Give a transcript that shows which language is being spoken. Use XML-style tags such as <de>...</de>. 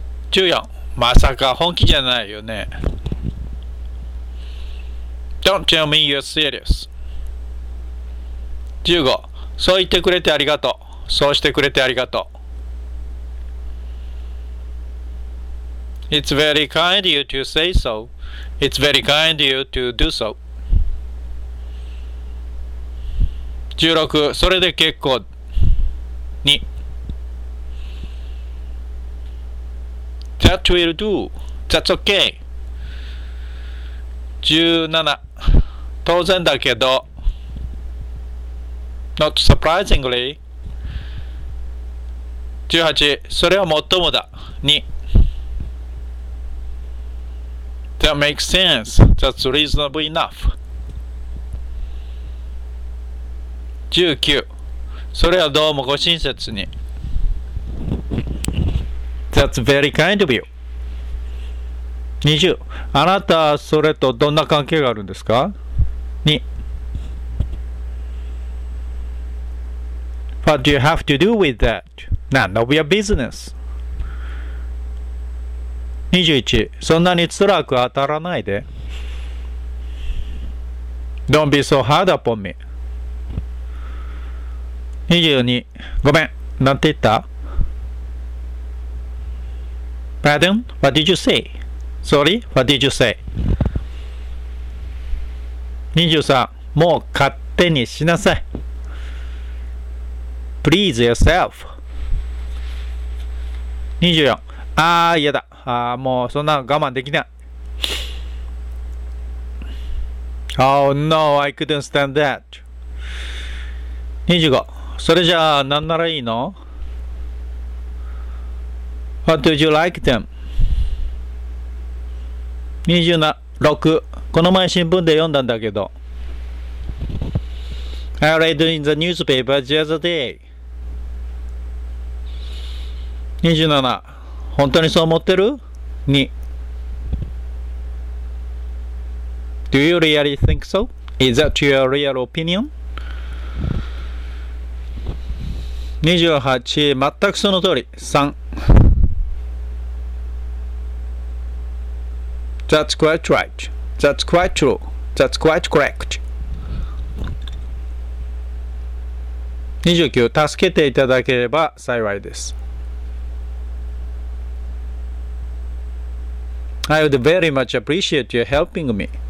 <ja>14、まさか本気じゃないよね。</ja> <en>Don't tell me you're serious.</en> <ja>15、そう言ってくれてありがとう。そうしてくれてありがとう。</ja> <en>It's very kind of you to say so. It's very kind of you to do so. 16、</en> <ja>それで結構。</ja> <en>2、That will do. That's okay.</en> <ja>17、当然だけど。</ja> <en>Not surprisingly.</en> <ja>18、それは最もだ。2、</ja> <en>That makes sense. That's reasonable enough.</en> <ja>19、それはどうもご親切に。</ja> <en>That's very kind of you.</en> <ja>20、あなたはそれとどんな関係があるんですか？</ja> <en>2、What do you have to do with that? None of your business.</en> <ja>21、そんなに辛く当たらないで。</ja> <en>Don't be so hard upon me.</en> <ja>22、ごめん、なんて言った？</ja> <en>Pardon? What did you say? Sorry? What did you say?</en> <ja>23、もう勝手にしなさい。</ja> <en>Please yourself.</en> <ja>24、ああ、嫌だ。ああ、もうそんなの我慢できない。</ja> <en>Oh no, I couldn't stand that.</en> <ja>25、それじゃあ何ならいいの？</ja> <en>What do you like them?</en> <ja>26、この前新聞で読んだんだけど。</ja> <en>I read in the newspaper the other day. 27、</en> <ja>本当にそう思ってる？</ja> <en>2、 Do you really think so? Is that your real opinion?</en> <ja>28、全くその通り。3、</ja> <en>That's quite right. That's quite true. That's quite correct.</en> <ja>29、助けていただければ幸いです。</ja> <en>I would very much appreciate you helping me.</en>